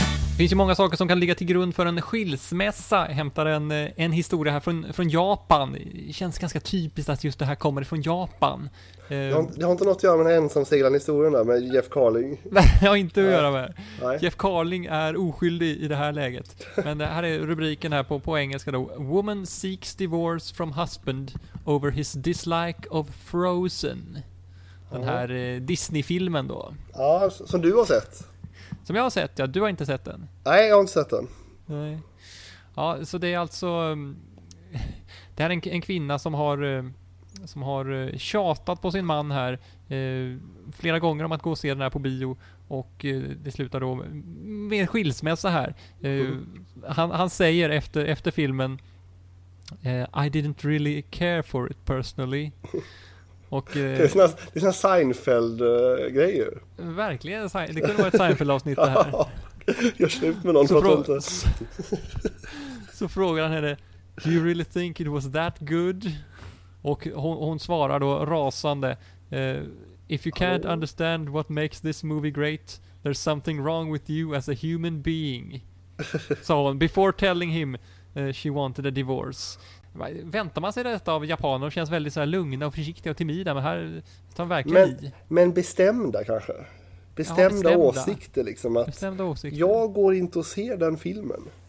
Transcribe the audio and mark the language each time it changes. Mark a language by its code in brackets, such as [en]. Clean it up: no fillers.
[sv] Det finns ju många saker som kan ligga till grund för en skilsmässa. Jag hämtar en historia här från Japan. Det känns ganska typiskt att just det här kommer från Japan. Det har inte något att göra med den ensamseglande historien där med Jeff Carling. Nej, har inte att göra med. Nej. Jeff Carling är oskyldig i det här läget. Men det här är rubriken här på engelska då. [en] Woman seeks divorce from husband over his dislike of Frozen. [sv] Den här Disney-filmen då. Ja, som du har sett. Som jag har sett, ja. Du har inte sett den. Nej, jag har inte sett den. Nej. Ja, så det är alltså... Det här är en kvinna som har tjatat på sin man här flera gånger om att gå och se den här på bio. Och det slutar då med skilsmässa här. Han säger efter filmen [en] I didn't really care for it personally. [sv] Och, det är sådana Seinfeld-grejer. Verkligen, det kunde vara ett Seinfeld-avsnitt det här. Jag har slut med någon så pratar inte. Så frågar han henne, [en] do you really think it was that good? [sv] Och hon svarar då rasande, [en] if you can't understand what makes this movie great, there's something wrong with you as a human being. [sv] Så hon, [en] before telling him she wanted a divorce. [sv] Väntar man sig detta av japaner, känns väldigt så här lugna och försiktiga och timida, men här tar verkligen men bestämda kanske. Bestämda åsikter liksom, att bestämda åsikter. Jag går inte och ser den filmen.